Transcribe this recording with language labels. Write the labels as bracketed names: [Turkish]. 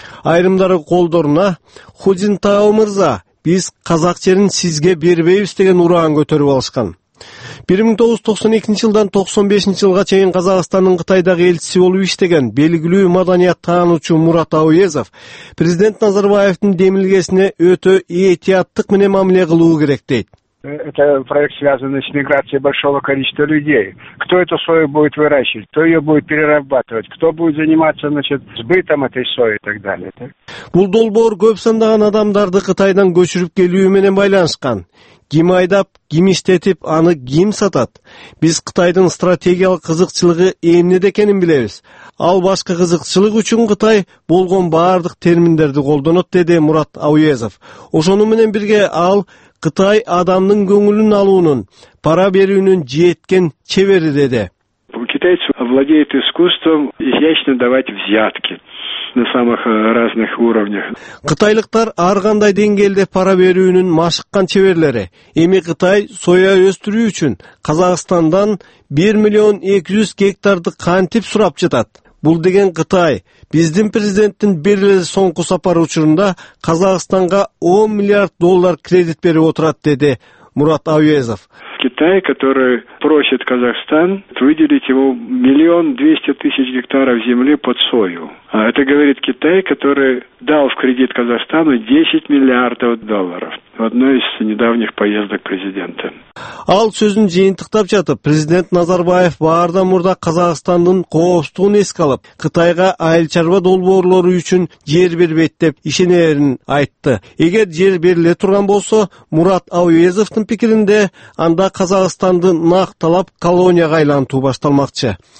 [Kyrgyz] Айрымдары колдоруна Худзинтао мырза, биз казак жерин сизге бербейбиз деген ураан көтөрүп алышкан. 1992 жылдан 95 жылга чейин Казакстандын Кытайдагы элчиси болуп иштеген белгилүү маданият таануучу Мурат Ауезов президент Назарбаевдин демилгесине өтө этияттык менен мамиле кылуу керек дейт. [Russian] Это проект, связанный с миграцией большого количества людей. Кто эту сою будет выращивать? Кто ее будет перерабатывать? Кто будет заниматься, значит, сбытом этой сои и так далее? [Kyrgyz] Бул долбоор көп сандаган адамдарды Кытайдан көчүрүп келүү менен байланышкан. Ким айдап, ким иштетип, аны ким сатат? Биз Кытайдын стратегиялык кызыкчылыгы эмнеде экенин билебиз. Ал башка кызыкчылык үчүн Кытай болгон баардык терминдерди колдонот, деди Мурат Ауезов. Ошону менен бирге ал Кытай адамдын көңүлүн алуунун, пара берүүнүн жеткен чебери, деди. [Russian] Китайцы владеют искусством изящно давать взятки на самых разных уровнях. [Kyrgyz] Кытайлыктар ар кандай деңгээлде пара берүүнүн машыккан чеберлери. Эми Кытай соя өстүрүү үчүн Казакстандан 1 миллион 200 гектарды кантип сурап жатат? Бул деген Кытай биздин президенттин бир эле соңку сапары учурунда Казакстанга 10 миллиард доллар кредит берип отурат, деди Мурат Ауезов. [Russian] Китай, который просит Казахстан выделить ему 1 200 000 гектаров земли под сою. А это говорит Китай, который дал в кредит Казахстану 10 миллиардов долларов в одной из недавних поездок президента. [Kyrgyz] Ал сөзүн жыйынтыктап жатып, президент Назарбаев баардан мурда Казахстандын коопсуздугун эске алып, Кытайга айыл чарба долбоорлору үчүн жер бербейт деп ишенерин айтты. Эгер жер бериле турган болсо, Мурат Ауезовдун пикиринде анда Казахстанды нак талап колонияга айлантуу башталмакчы.